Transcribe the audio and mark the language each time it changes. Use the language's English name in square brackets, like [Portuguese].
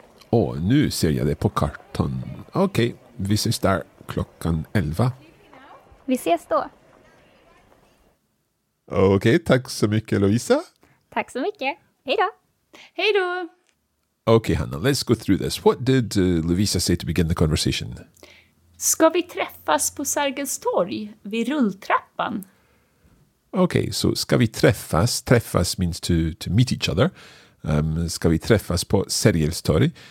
[Swedish] Åh, nu ser jag det på kartan. Okej, vi ses där klockan 11. Vi ses då. Okej, tack så mycket, Louisa. Tack så mycket. Hej då. Hej då. [English] Okay, Hannah, let's go through this. What did Louisa say to begin the conversation? [Swedish] Ska vi träffas på Sergels torg vid rulltrappan? Okay, so ska vi träffas? [English] Träffas means to meet each other. [Swedish] Ska vi träffas på Sergels torg?